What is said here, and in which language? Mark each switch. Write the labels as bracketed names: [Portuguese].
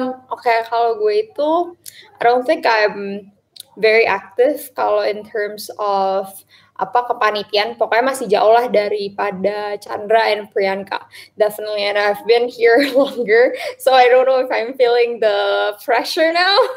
[English] Okay, [Indonesian] kalau gue itu, [English] I don't think I'm very active kalau in terms of apa kepanitian. [Indonesian] Pokoknya masih jauh lah daripada Chandra and Priyanka. [English] Definitely, and I've been here longer, so I don't know if I'm feeling the pressure now.